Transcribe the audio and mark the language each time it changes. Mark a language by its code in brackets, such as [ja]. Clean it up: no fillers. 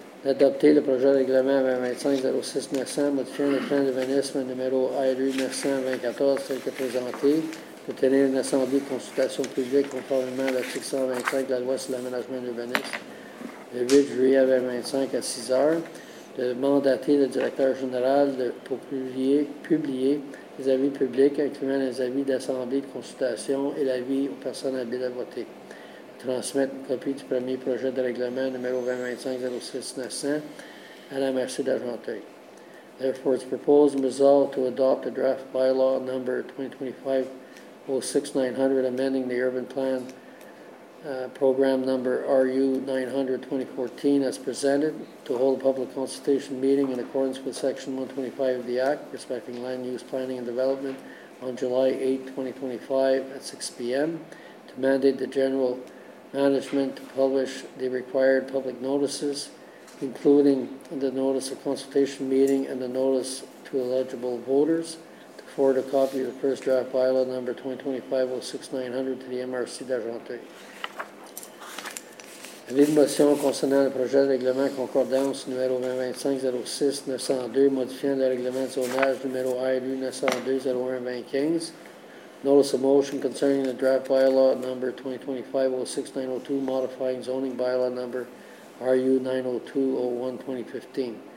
[fr] Adopter le projet de règlement 2025-06-900, modifiant le plan d'urbanisme numéro RU-924, tel que présenté, de tenir une assemblée de consultation publique conformément à l'article 125 de la loi sur l'aménagement de l'urbanisme, le 8 juillet 2025 à 6 heures, de mandater le directeur général pour publier les avis publics, incluant les avis d'assemblée de consultation et l'avis aux personnes habiles à voter. Transmettre une copie du premier projet de règlement numéro 2025-06-900 à la Merci d'Argenteuil. [en] Therefore, it's proposed and resolved to adopt a draft bylaw number 2025-06-900, amending the urban plan program number RU-900-2014 as presented, to hold a public consultation meeting in accordance with Section 125 of the Act respecting land use planning and development on July 8, 2025 at 6 p.m. to mandate the general management to publish the required public notices, including the notice of consultation meeting and the notice to eligible voters, to forward a copy of the first draft bylaw number 2025-06-900 to the MRC d'Argenteuil. [fr] Avis de motion concernant le projet de règlement concordance numéro 2025-06-902, modifiant le règlement de zonage numéro RU-902-0125. [en] Notice of motion concerning the draft bylaw number 2025-06-902, modifying zoning bylaw number RU-902-01-2015.